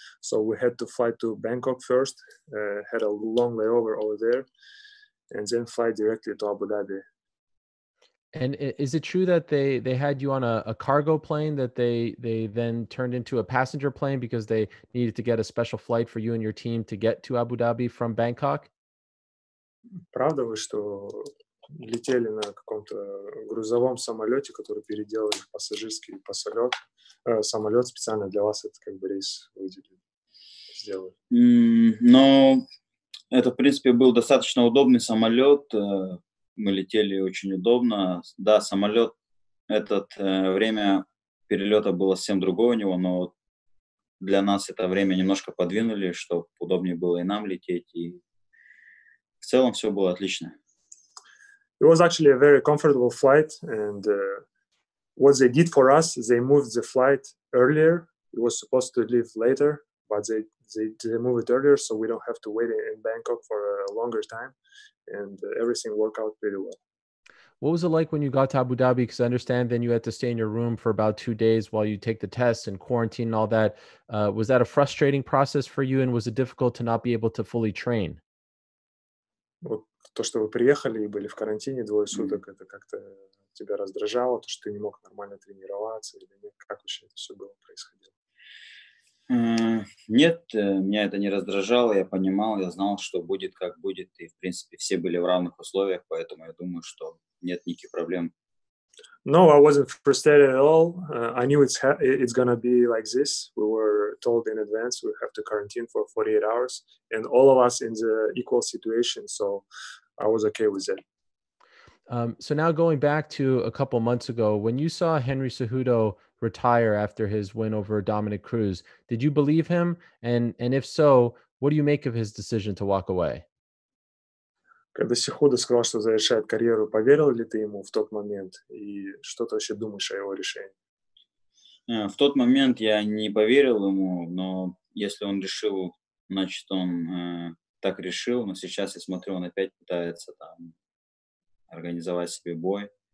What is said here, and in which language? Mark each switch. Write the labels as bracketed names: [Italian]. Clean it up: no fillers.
[English] So we had to fly to Bangkok first, had a long layover over there, and then fly directly to Abu Dhabi. And is it true that they had you on a cargo plane that they then turned into a passenger plane because they needed to get a special flight for you and your team to get to Abu Dhabi from Bangkok? [Russian] Правда вы, что летели на каком-то грузовом самолете, который переделали в пассажирский посолет, самолет специально для вас, это как бы рейс выделили, сделали? Но это, в принципе, был достаточно удобный самолет. Мы летели очень удобно. Да, самолет, этот время перелета было совсем другое у него, но вот для нас это время немножко подвинули, чтобы удобнее было и нам лететь. И в целом все было отлично. [English] It was actually a very comfortable flight. And what they did for us, they moved the flight earlier. It was supposed to leave later, but they moved it earlier, so we don't have to wait in Bangkok for a longer time. And everything worked out pretty well. What was it like when you got to Abu Dhabi? Because I understand then you had to stay in your room for about 2 days while you take the tests and quarantine and all that. Was that a frustrating process for you? And was it difficult to not be able to fully train? [Russian] Вот то, что вы приехали и были в карантине двое суток, mm-hmm. это как-то тебя раздражало, то, что ты не мог нормально тренироваться? Или нет, как вообще это все было происходило? Нет, меня это не раздражало, я понимал, я знал, что будет, как будет, и, в принципе, все были в равных условиях, поэтому я думаю, что нет никаких проблем. [English] No, I wasn't frustrated at all. I knew it's gonna be like this. We were told in advance we have to quarantine for 48 hours, and all of us in the equal situation, so I was okay with it. So now going back to a couple months ago, when you saw Henry Cejudo retire after his win over Dominic Cruz, did you believe him? And if so, What do you make of his decision to walk away? [Russian] Когда Сихода сказал, что завершает карьеру, поверил ли ты ему в тот момент? И что ты вообще думаешь о его решении? В тот момент я не поверил ему, но если он решил, значит, он так решил. Но сейчас я смотрю, он опять пытается там организовать себе бой.